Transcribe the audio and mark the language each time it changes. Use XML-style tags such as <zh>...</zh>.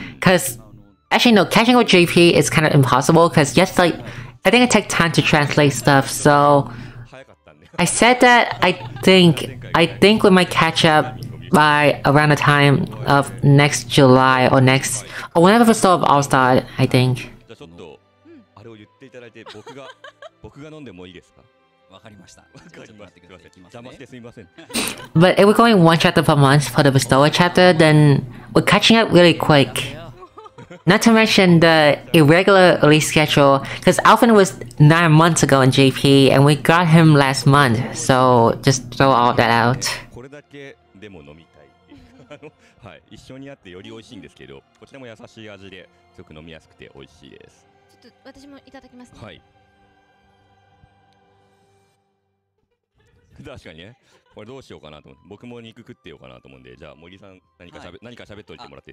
<en>Because actually, no, catching up with JP is kind of impossible, because just like, I think it takes time to translate stuff, so I said that I think we might catch up. By around the time of next July or next, or whenever the sort of all star, I think.</en> <ja>じゃあちょっとあれを言っていただいて、僕が飲んでもいいですか？わかりました。わかりました。邪魔してすみません。</ja> <en>But if we're going one chapter per month for the bestower chapter, then we're catching up really quick. Not to mention the irregular release schedule, because Alvin was 9 months ago in JP, and we got him last month. So just throw all that out.</en> <ja>でも飲みたいっていうはい、一緒にあってより美味しいんですけど、こちらも優しい味ですごく飲みやすくて美味しいです。ちょっと私もいただきますね。はい、確かにね、これどうしようかなと思って、僕も肉食ってようかなと思うんで、じゃあ森さん何か喋っといてもらってい</ja>